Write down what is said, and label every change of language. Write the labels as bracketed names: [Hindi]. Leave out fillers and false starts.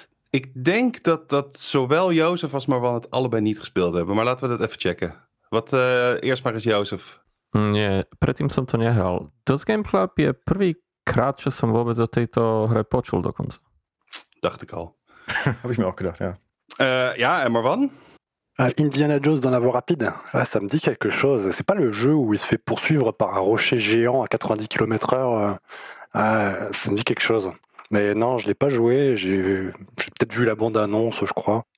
[Dutch] Ik denk dat zowel Jozef als Marwan het allebei niet gespeeld hebben. Maar laten we dat even checken. Wat eerst maar eens Jozef. [Slovak] Nee, predtým som to nehral. Dos Game Club je prvý krát, čo som vôbec o tejto hre počul dokonca. [Dutch] Dacht ik al. Heb ik me ook gedacht, ja. Ja, en Marwan? [French] Indiana Jones dans la voie rapide, ah, ça me dit quelque chose. C'est pas le jeu où il se fait poursuivre par un rocher géant à 90 km/h. Ça me dit quelque chose. Mais non, je ne l'ai pas joué, j'ai peut-être vu la bande-annonce, je crois.